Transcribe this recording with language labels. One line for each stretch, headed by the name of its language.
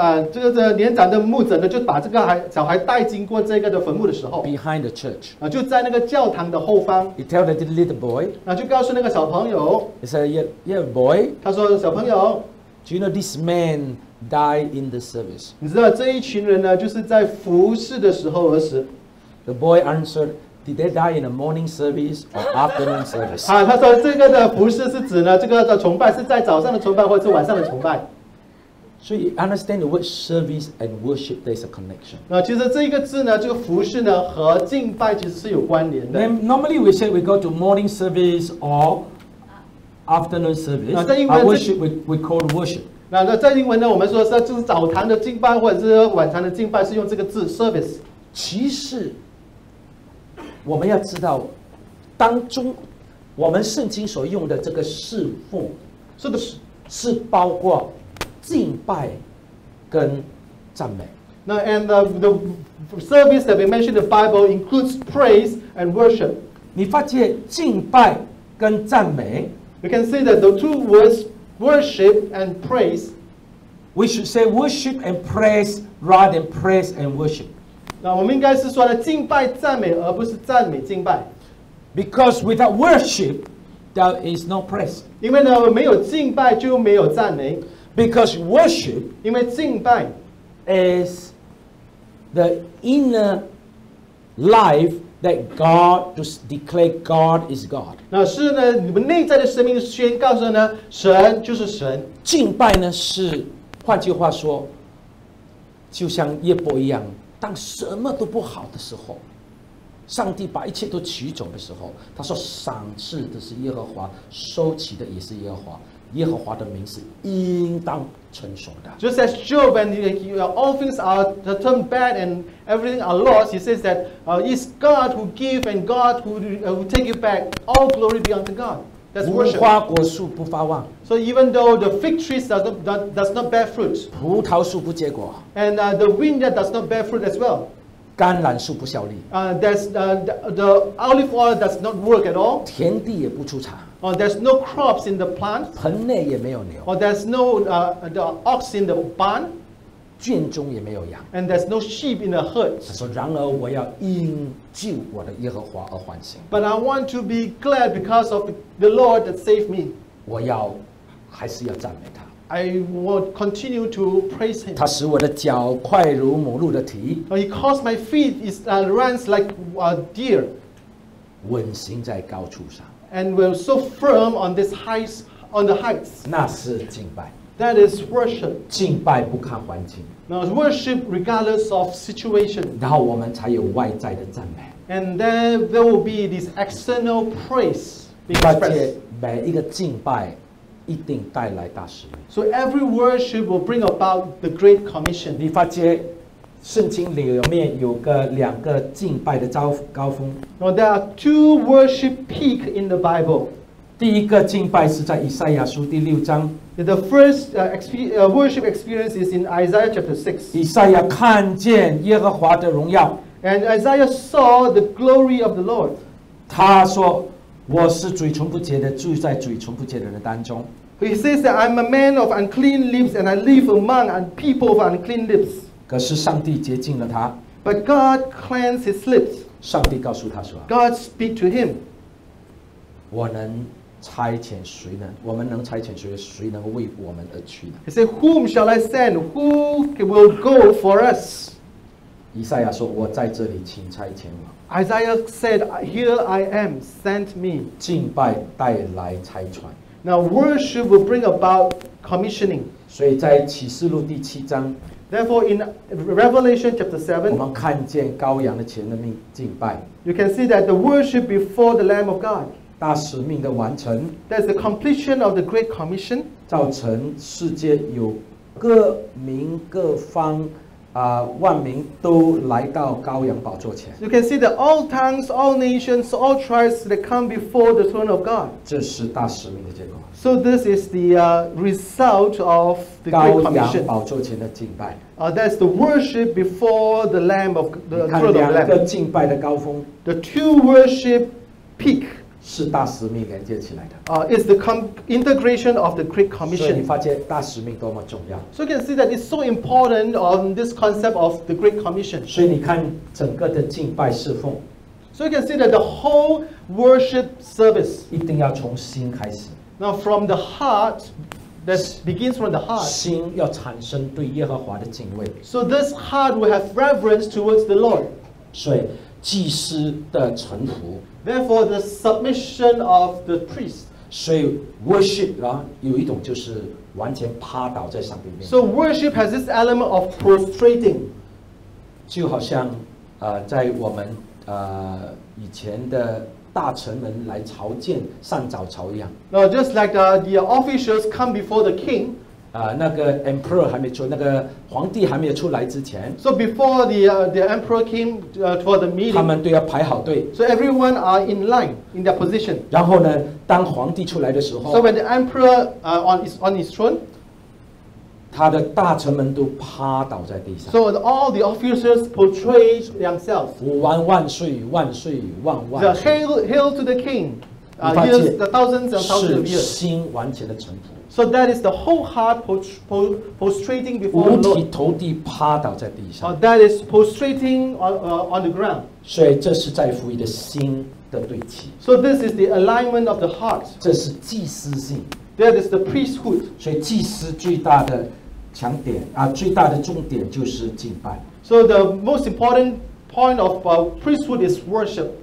Chinese: 这个年长的牧者呢，就把这个小孩带经过这个的坟墓的时候
English: ，behind the church.
Chinese: 就在那个教堂的后方。
English: He tell the little boy.
Chinese: 就告诉那个小朋友。
English: He said, "Yeah, boy."
Chinese: 他说，小朋友。
English: Do you know this man? Die in the service.
Chinese: 你知道这一群人呢，就是在服侍的时候而死。
English: The boy answered, "Did they die in the morning service or afternoon service?"
Chinese: 他说这个的服侍是指呢，这个的崇拜是在早上的崇拜或者是晚上的崇拜。
English: So you understand the word service and worship, there's a connection.
Chinese: 那其实这一个字呢，这个服侍呢和敬拜其实是有关联的。
English: Normally we say we go to morning service or afternoon service.
Chinese: 在英文
English: worship we call worship.
Chinese: 那在英文呢，我们说是就是早堂的敬拜或者是晚堂的敬拜，是用这个字 service。其实，我们要知道，当中我们圣经所用的这个侍奉，是的是包括敬拜跟赞美。
English: 那 and the service that we mentioned in the Bible includes praise and worship。
Chinese: 你发现敬拜跟赞美
English: ，you can see that the two words。 Worship and praise. We should say worship and praise rather than praise and worship.
Chinese: 那我们应该是说呢，敬拜赞美，而不是赞美敬拜。
English: Because without worship, there is no praise.
Chinese: 因为呢，没有敬拜就没有赞美。
English: Because worship,
Chinese: 因为敬拜
English: is the inner life. That God to declare God is God.
Chinese: 那是呢，你们内在的生命宣告着呢，神就是神。敬拜呢是，换句话说，就像耶伯一样，当什么都不好的时候，上帝把一切都取走的时候，他说赏赐的是耶和华，收起的也是耶和华。耶和华的名是应当称颂的。
English: Just as Job, when all things are turned bad and everything are lost, he says that it's God who give and God who take it back. All glory be unto God. That's worship.
Chinese: 无花果树不发旺。
English: So even though the fig tree does not bear fruit,
Chinese: 葡萄树不结果。
English: And the vine yard does not bear fruit as well.
Chinese: 橄榄树不效力。
English: The olive oil does not work at all.
Chinese: 田地也不出产。
English: There's no crops in the plant.
Chinese: 棚内也没有牛。
English: There's no the ox in the barn.
Chinese: 圈中也没有羊。
English: And there's no sheep in the herd.
Chinese: 他说：“然而我要因救我的耶和华而欢喜。”
English: But I want to be glad because of the Lord that saved me.
Chinese: 我要还是要赞美他。
English: I will continue to praise him.
Chinese: 他使我的脚快如母鹿的蹄。
English: He caused my feet is runs like a deer.
Chinese: 稳行在高处上。
English: And we're so firm on this heights, on the heights.
Chinese: 那是敬拜。
English: That is worship.
Chinese: 敬拜不看环境。
English: Now worship regardless of situation.
Chinese: 然后我们才有外在的赞美。
English: And then there will be this external praise.
Chinese: 并且每一个敬拜一定带来大使命。
English: So every worship will bring about the great commission.
Chinese: 你发觉。圣经里面有个两个敬拜的高峰。
English: Well, there are two worship peak in the Bible.
Chinese: 第一个敬拜是在以赛亚书第六章。
English: The first worship experience is in Isaiah chapter 6.
Chinese: 以赛亚看见耶和华的荣耀。
English: And Isaiah saw the glory of the Lord.
Chinese: 他说：“我是嘴唇不洁的，住在嘴唇不洁的人当中。”
English: He says that I'm a man of unclean lips, and I live among and people of unclean lips.
Chinese: 可是上帝洁净了他。
English: But God cleansed his lips.
Chinese: 上帝告诉他说。
English: God speak to him.
Chinese: 我能差遣谁呢？我们能差遣谁？谁能为我们而去呢
English: ？He said, "Whom shall I send? Who will go for us?"
Chinese: 以赛亚说：“我在这里，请差遣我。”
English: Isaiah said, "Here I am. Send me."
Chinese: 敬拜带来差传。
English: Now worship will bring about commissioning.
Chinese: 所以在启示录第七章。
English: Therefore, in Revelation chapter 7,
Chinese: 我们看见羔羊的前的命敬拜。
English: You can see that the worship before the Lamb of God.
Chinese: 大使命的完成。
English: That's the completion of the Great Commission.
Chinese: 造成世界有各民各方。万民都来到羔羊宝座前。
English: You can see that all tongues, all nations, all tribes that come before the throne of God.
Chinese: 这是大使命的结果。
English: So this is the result of the Great Commission.
Chinese: 羔羊宝座前的敬拜。
English: That's the worship before the Lamb of the throne of the Lamb.
Chinese: 你看两个敬拜的高峰。
English: The two worship peak.
Chinese: 是大使命连接起来的。
English: It's the integration of the Great Commission.
Chinese: 所以你发现大使命多么重要。
English: So you can see that it's so important on this concept of the Great Commission.
Chinese: 所以你看整个的敬拜侍奉。
English: So you can see that the whole worship service.
Chinese: 一定要从心开始。
English: Now from the heart, that begins from the heart.
Chinese: 心要产生对耶和华的敬畏。
English: So this heart will have reverence towards the Lord.
Chinese: 所以祭司的臣服。
English: Therefore, the submission of the priest.
Chinese: 所以 worship 啊，有一种就是完全趴倒在上帝面前。
English: So worship has this element of prostrating.
Chinese: 就好像在我们以前的大臣们来朝见上早朝一样。
English: No, just like the officials come before the king.
Chinese: 那个 emperor 还没出，那个皇帝还没有出来之前。
English: So before the emperor came for the meeting.
Chinese: 他们都要排好队。
English: So everyone are in line in their position.
Chinese: 然后呢，当皇帝出来的时候。
English: So when the emperor is on his throne,
Chinese: 他的大臣们都趴倒在地上。
English: So all the officials portray themselves.
Chinese: 吾王万岁，万岁，万万。
English: The hail to the king. Here's the thousands and thousands of years.
Chinese: 是心完全的臣服。
English: So that is the whole heart prostrating before the Lord.
Chinese: 五体投地趴倒在地上。
English: That is prostrating on the ground.
Chinese: 所以这是在乎你的心的对齐。
English: So this is the alignment of the heart.
Chinese: 这是祭司性。
English: That is the priesthood.
Chinese: 所以祭司最大的强点啊，最大的重点就是敬拜。
English: So the most important point of priesthood is worship.